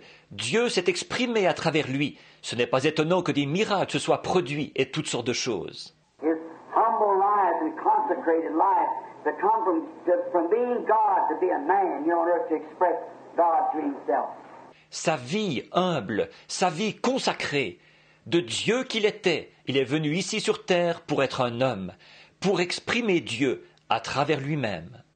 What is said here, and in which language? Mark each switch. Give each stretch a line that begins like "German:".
French: Dieu s'est exprimé à travers lui. Ce n'est pas étonnant que des miracles se soient produits et toutes sortes de choses.
English: His humble life and consecrated life that come from being God to be a man, you know, to express God to himself.
French: Sa vie humble, sa vie consacrée, de Dieu qu'il était, il est venu ici sur terre pour être un homme, pour exprimer Dieu à travers lui-même.